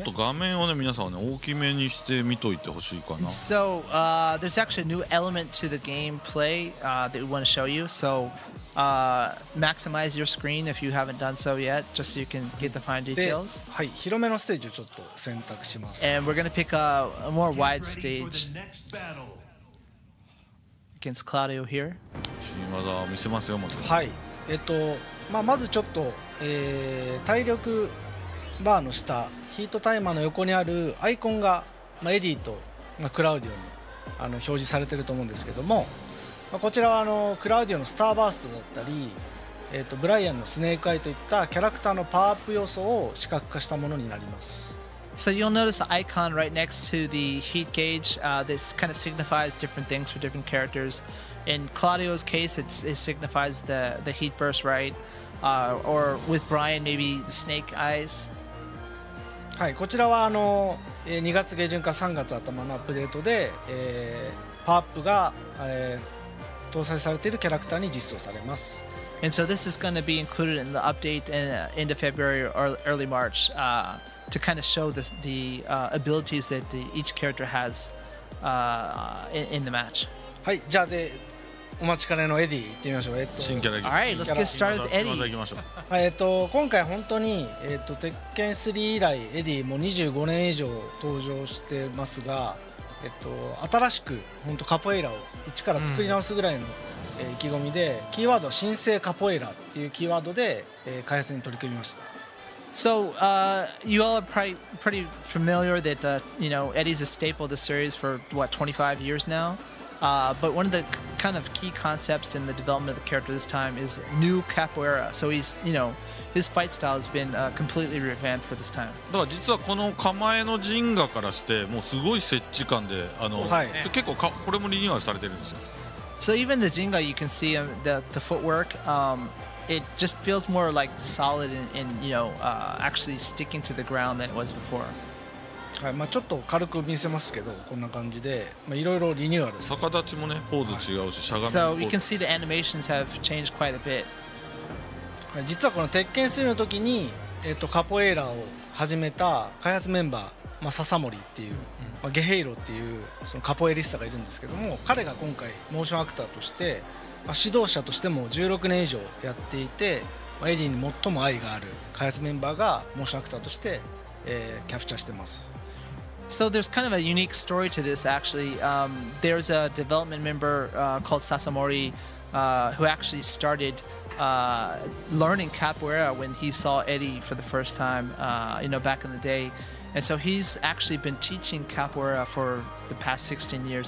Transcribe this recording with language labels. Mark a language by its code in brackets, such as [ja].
[ja] ちょっと画面をね皆さんはね大きめにして見といてほしいかな。 [en] So there's actually a new element to the gameplay that we want to show you. So maximize your screen if you haven't done so yet, just so you can get the fine details. [ja] はい、広めのステージをちょっと選択します。 [en] And we're gonna pick a more wide stage against Claudio here. [ja] 新技を見せますよ、もちろん。はい、まあ、まずちょっと、体力バーの下、ヒートタイマーの横にあるアイコンが、まあ、エディと、まあ、クラウディオにあの表示されてると思うんですけども、まあ、こちらはあのクラウディオのスターバーストだったり、ブライアンのスネークアイといったキャラクターのパワーアップ要素を視覚化したものになります。 [en] So you'll notice the icon right next to the heat gauge. This kind of signifies different things for different characters. In Claudio's case, it signifies the heat burst, right? Or with Brian, maybe snake eyes. [ja] はい、こちらはあの2月下旬から3月頭のアップデートで、パワーアップが、搭載されているキャラクターに実装されます。 [en] And so this is going to be included in the update in end of February or early March. To kind of show the abilities that each character has in the match. [ja] はい、じゃあでお待ちかねのエディ行ってみましょう。新キャラ。 [en] All right, let's get started with Eddie. [ja] 行きましょう。はい、今回本当に鉄拳3以来エディもう25年以上登場してますが、新しく本当カポエイラを一から作り直すぐらいの、意気込みで、キーワードは新生カポエイラっていうキーワードで、開発に取り組みました。 [en] So you all are pretty familiar that you know Eddie's a staple of the series for what 25 years now. But one of the kind of key concepts in the development of the character this time is new capoeira. So he's you know his fight style has been completely revamped for this time. [ja] だから実はこの構えのジンガからしてもうすごい接地感で、あの、はい、結構これもリニューアルされてるんですよ。 [en] So even the ジンガ you can see the footwork. It just feels more like solid and you know actually sticking to the ground than it was before. [ja] はい、まあちょっと軽く見せますけど、こんな感じで、まあいろいろリニューアルです。逆立ちもね、ポーズ違うし、しゃがみ。 [en] So you can see the animations have changed quite a bit. [ja] 実はこの鉄拳3の時に、カポエイラを始めた開発メンバー、まあ笹森っていう、まあ、ゲヘイロっていうそのカポエリスタがいるんですけども、彼が今回モーションアクターとして。指導者としても16年以上やっていて、エディに最も愛がある開発メンバーがモーションアクターとして、キャプチャーしてます。 [en] So there's kind of a unique story to this actually. There's a development member called Sasamori who actually started learning capoeira when he saw Eddie for the first time, you know, back in the day. And so he's actually been teaching capoeira for the past 16 years.